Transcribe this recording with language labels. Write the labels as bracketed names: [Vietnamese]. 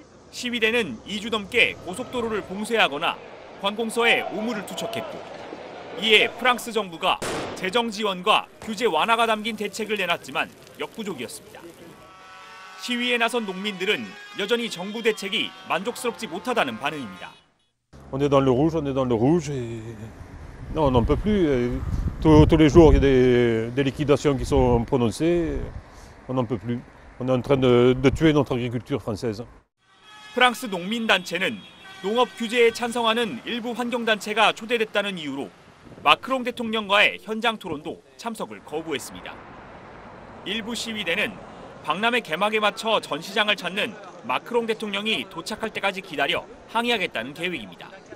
[Korean] 시위대는 2주 넘게 고속도로를 봉쇄하거나 관공서에 오물을 투척했고 이에 프랑스 정부가 재정 지원과 규제 완화가 담긴 대책을 내놨지만 역부족이었습니다. 시위에 나선 농민들은 여전히 정부 대책이 만족스럽지 못하다는 반응입니다. [French] On est dans le rouge, on est dans le rouge. Non, on ne peut plus. Tous les jours, il y a des liquidations qui sont prononcées. On n'en peut plus. On est en train de tuer notre agriculture française. [Korean] 프랑스 농민 단체는 농업 규제에 찬성하는 일부 환경 단체가 초대됐다는 이유로 마크롱 대통령과의 현장 토론도 참석을 거부했습니다. 일부 시위대는 박람회 개막에 맞춰 전시장을 찾는 마크롱 대통령이 도착할 때까지 기다려 항의하겠다는 계획입니다.